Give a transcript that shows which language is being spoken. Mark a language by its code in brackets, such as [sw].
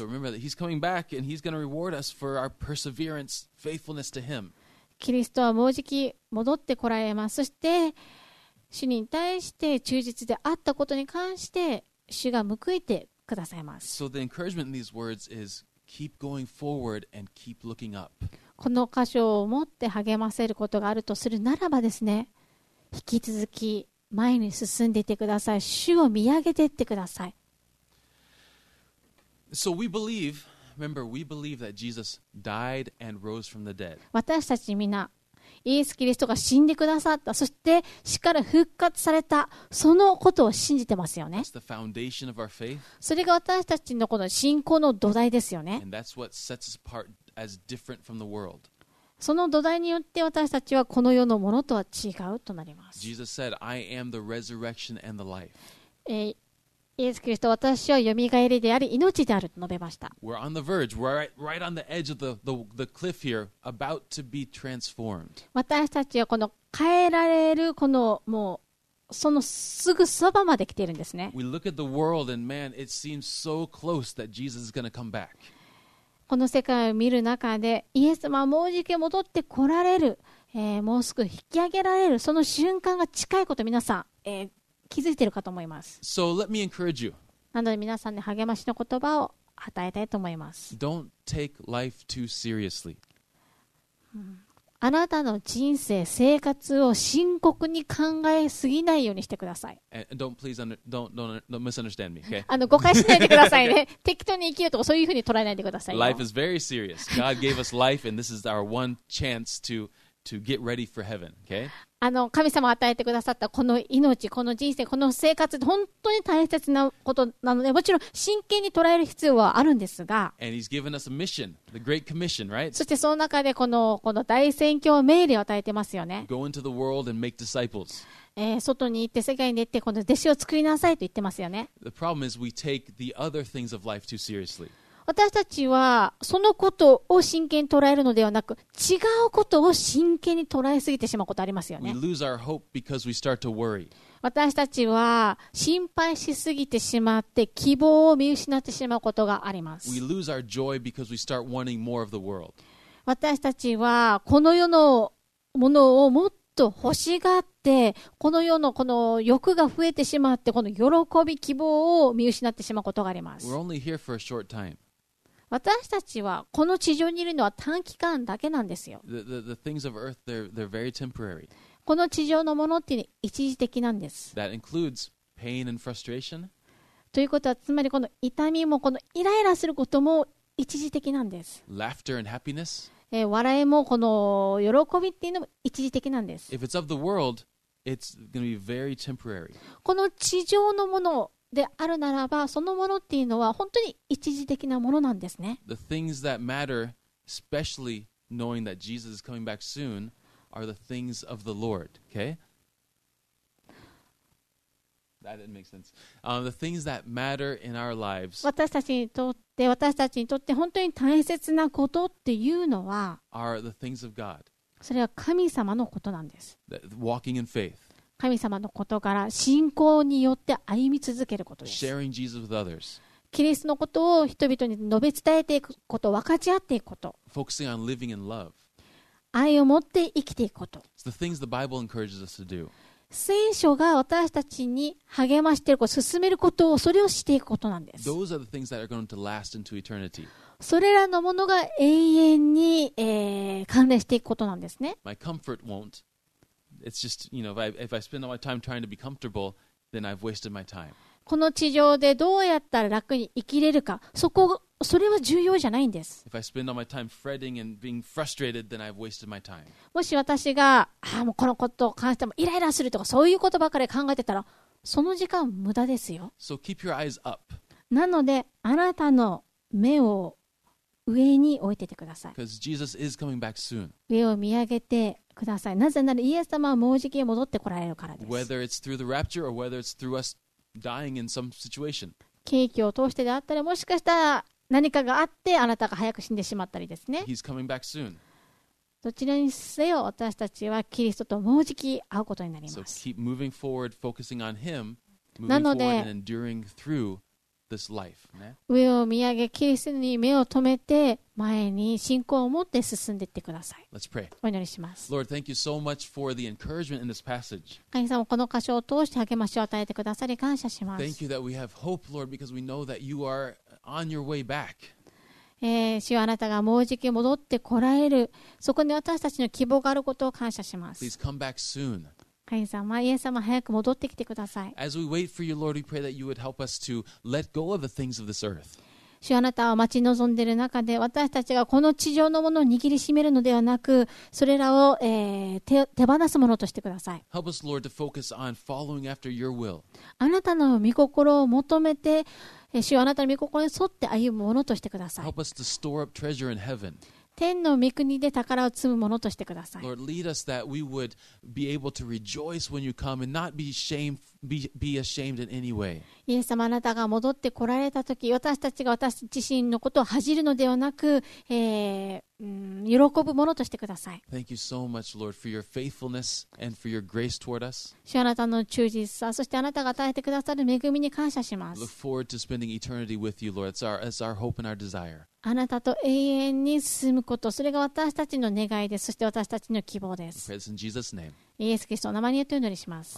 [en] So remember that he's coming back and he's going to reward us for our perseverance, faithfulness to him. [ja] キリストはもうじき戻ってこられます。そして主に対して忠実であったことに関して主が報いてくださいます。 [en] So the encouragement in these words is keep going forward and keep looking up. [ja] この箇所を持って励ませることがあるとするならばですね、引き続き前に進んでいてください。主を見上げていってください。 [en] So we believe, remember, we believe that Jesus died and rose from the dead. [ja] 私たちみんな、イエス・キリストが死んでくださった、そして死から復活された、そのことを信じてますよね。 [en] That's the foundation of our faith. [ja] それが私たちのこの信仰の土台ですよね。 [en] And that's what sets us apart as different from the world. [ja] その土台によって私たちはこの世のものとは違うとなります。 [en] Jesus said, I am the resurrection and the life. [ja] イエス・キリスト、私はよみがえりであり、命であると述べました。 [en] We're on the verge, we're right on the edge of the cliff here, about to be transformed. [ja] 私たちはこの変えられる、このもう、そのすぐそばまで来ているんですね。 [en] We look at the world and man, it seems so close that Jesus is going to come back. [ja] この世界を見る中でイエス様はもうじき戻ってこられる、もうすぐ引き上げられるその瞬間が近いこと皆さん、気づいているかと思います。 [en] So let me encourage you. [ja] なので皆さんに励ましの言葉を与えたいと思います。 [en] Don't take life too seriously. [ja] あなたの人生生活を深刻に考えすぎないようにしてください。 [en] Don't misunderstand me, okay? [ja] 誤解しないでくださいね。適当に生きるとかそういうふうに捉えないでください。 [en] Life is very serious. God gave us life and this is our one chance to get ready for heaven, okay? [ja] 神様与えてくださったこの命、この人生、この生活本当に大切なことなので、もちろん真剣に捉える必要はあるんですが、 [en] And he's given us a mission, the great commission, right? [ja] そしてその中でこの大宣教命令を与えてますよね。 [en] Go into the world and make disciples. [ja] 外に行って世界に出てこの弟子を作りなさいと言ってますよね。 [en] The problem is we take the other things of life too seriously. [ja] 私たちはそのことを真剣に捉えるのではなく違うことを真剣に捉えすぎてしまうことありますよね。 [en] We lose our hope because we start to worry. [ja] 私たちは心配しすぎてしまって希望を見失ってしまうことがあります。 [en] We lose our joy because we start wanting more of the world. [ja] 私たちはこの世のものをもっと欲しがってこの世のこの欲が増えてしまってこの喜び希望を見失ってしまうことがあります。 [en] We're only here for a short time. [ja] 私たちはこの地上にいるのは短期間だけなんですよ。 [en] The things of earth, they're very temporary. [ja] この地上のものっていうのは一時的なんです。 [en] That includes pain and frustration. [ja] ということはつまりこの痛みもこのイライラすることも一時的なんです。 [en] Laughter and happiness. [ja] 笑いもこの喜びっていうのも一時的なんです。 [en] If it's of the world, it's going to be very temporary. [ja] この地上のものであるならばそのものっていうのは本当に一時的なものなんですね。 [en] The things that matter, especially knowing that Jesus is coming back soon, are the things of the Lord, okay? That didn't make sense. The things that matter in our lives, [ja] 私たちにとって本当に大切なことっていうのは [en] are the things of God. [ja] それは神様のことなんです。 [en] Walking in faith. [ja] 神様のことから信仰によって歩み続けることです。 [en] Sharing Jesus with others. [ja] キリストのことを人々に述べ伝えていくこと、分かち合っていくこと。 [en] Focusing on living in love. [ja] 愛を持って生きていくこと。 [en] It's the things the Bible encourages us to do. [ja] 聖書が私たちに励ましていること、進めることを、それをしていくことなんです。 [en] Those are the things that are going to last into eternity. [ja] それらのものが永遠に、関連していくことなんですね。 [en] My comfort won't. it's just, you know, if I spend all my time trying to be comfortable, then I've wasted my time. [ja] この地上でどうやったら楽に生きれるか、それは重要じゃないんです。 [en] If I spend all my time fretting and being frustrated, then I've wasted my time. [ja] もし私が、もうこのことを感じてもイライラするとか、そういうことばかり考えてたら、その時間無駄ですよ。 [en] So keep your eyes up. [ja] なので、あなたの目を上に置いててください。 [en] Because Jesus is coming back soon. [ja] 上を見上げてください。なぜなら、イエス様はもうじき戻ってこられるからです。 [en] Whether it's through the rapture or whether it's through us dying in some situation. [ja] 奇跡を通してであったら、もしかしたら何かがあってあなたが早く死んでしまったりですね。 [en] He's coming back soon. [ja] どちらにせよ、私たちはキリストともうじき会うことになります。 [en] So keep moving forward, focusing on him, moving forward and enduring through this life. [ja] 上を見上げ、キリストに目を留めて、前に信仰を持って進んでいってください。 [en] Let's pray. [ja] お祈りします。 [en] Lord, thank you so much for the encouragement in this passage. [ja] 神様、この箇所を通して励ましを与えてくださり感謝します。 [en] Thank you that we have hope, Lord, because we know that you are on your way back. [ja] 主よ、あなたがもうじき戻ってこられる、そこに私たちの希望があることを感謝します。 [en] Please come back soon. [ja] 神様、イエス様、早く戻ってきてください。 [en] As we wait for you, Lord, we pray that you would help us to let go of the things of this earth. [ja] 主よ、あなたは待ち望んでいる中で、私たちがこの地上のものを握りしめるのではなく、それらを、手放すものとしてください。 [en] Help us, Lord, to focus on following after your will. [ja] あなたの御心を求めて、主よ、あなたの御心に沿って歩むものとしてください。 [en] Help us to store up treasure in heaven. [ja] 天の御国で宝を積むものとしてください。 [en] Lord, lead us that we would be able to rejoice when you come and not be ashamed in any way. [ja] イエス様、あなたが戻って来られたとき、私たちが私自身のことを恥じるのではなく、喜ぶものとしてください。 [en] Thank you so much, Lord, for your faithfulness and for your grace toward us. [ja] 主あなたの忠実さ、そしてあなたが与えてくださる恵みに感謝します。 [en] Look forward to spending eternity with you, Lord. That's our hope and our desire. [ja] あなたと永遠に進むこと、それが私たちの願いです。そして私たちの希望です。 [en] Praise in Jesus' name. [ja] イエス・キリストの名前によってお祈りします。